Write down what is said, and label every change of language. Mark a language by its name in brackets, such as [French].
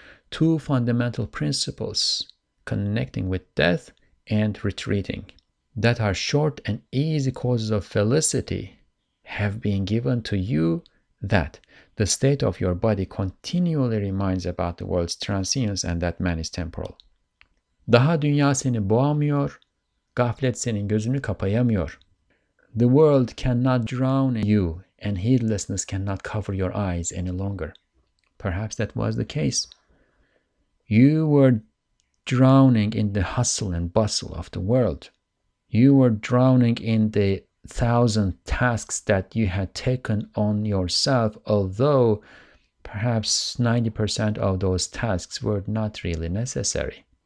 [English] Two fundamental principles, connecting with death and retreating, that are short and easy causes of felicity, have been given to you, that the state of your body continually reminds about the world's transience and that man is temporal. [Turkish] Daha dünya seni boğamıyor, gaflet senin gözünü kapayamıyor. [English] The world cannot drown you and heedlessness cannot cover your eyes any longer. Perhaps that was the case. You were drowning in the hustle and bustle of the world. You were drowning in the thousand tasks that you had taken on yourself, although perhaps 90% of those tasks were not really necessary.